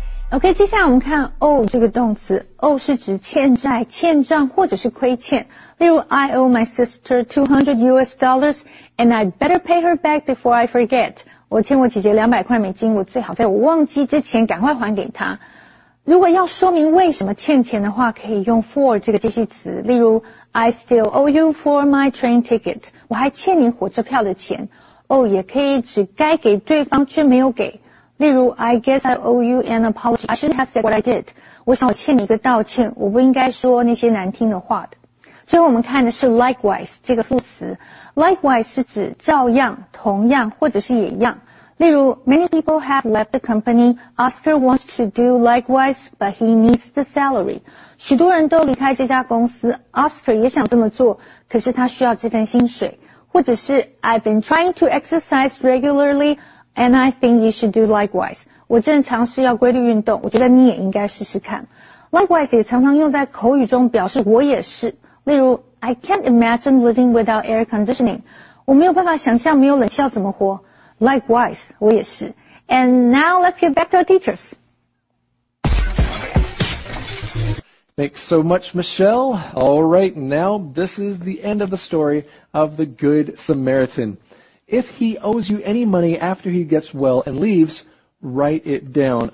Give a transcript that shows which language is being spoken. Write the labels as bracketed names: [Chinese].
[Chinese] OK, 接下来我们看 owe 这个动词。owe 是指欠债、欠账或者是亏欠。例如 [English] I owe my sister $200 and I better pay her back before I forget. [Chinese] 我欠我姐姐200块美金，我最好在我忘记之前赶快还给她。如果要说明为什么欠钱的话，可以用 for 这个介系词。例如 [English] I still owe you for my train ticket. [Chinese] 我还欠你火车票的钱。 owe 也可以指该给对方却没有给。例如 [English] I guess I owe you an apology. I shouldn't have said what I did. [Chinese] 我想我欠你一个道歉，我不应该说那些难听的话的。最后我们看的是 likewise 这个副词。likewise 是指照样、同样或者是也一样。例如 [English] many people have left the company. Oscar wants to do likewise, but he needs the salary. [Chinese] 许多人都离开这家公司， Oscar 也想这么做，可是他需要这份薪水。 [English] 或者是 I've been trying to exercise regularly. And I think you should do likewise. [Chinese] 我正尝试要规律运动，我觉得你也应该试试看。 Likewise 也常常用在口语中表示我也是。例如 [English] I can't imagine living without air conditioning. [Chinese] 我没有办法想象没有冷气要怎么活。Likewise, 我也是。 [English] And now let's get back to our teachers. Thanks so much, Michelle. All right, now this is the end of the story of the Good Samaritan. If he owes you any money after he gets well and leaves, write it down.